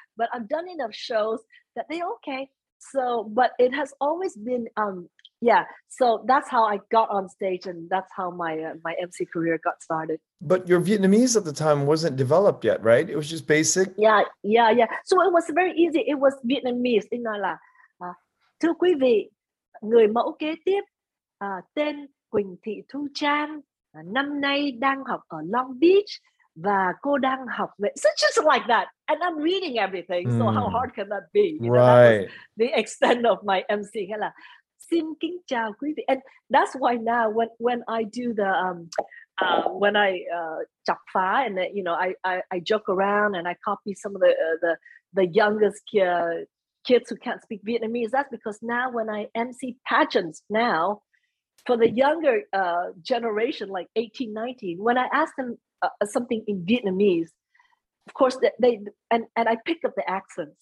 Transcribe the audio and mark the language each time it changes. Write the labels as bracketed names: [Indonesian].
[English] But I've done enough shows that they're okay. So, but it has always been, So that's how I got on stage, and that's how my my MC career got started. But your Vietnamese at the time wasn't developed yet, right? It was just basic? Yeah. So it was very easy. It was Vietnamese. [Vietnamese] It nói là, thưa quý vị, người mẫu kế tiếp, tên Quỳnh Thị Thu Trang, năm nay đang học ở Long Beach, và cô đang học vệ. [English] So just like that. And I'm reading everything. So how hard can that be? You right. Know, that was the extent of my MC. [Vietnamese] Hay là, xin kính chào quý vị. [English] And that's why now when I do the when I [Vietnamese] chọc phá, [English] and you know I joke around and I copy some of the youngest kids who can't speak Vietnamese, that's because now when I MC pageants now for the younger generation, like 18, 19, when I ask them something in Vietnamese, of course they and I pick up the accent.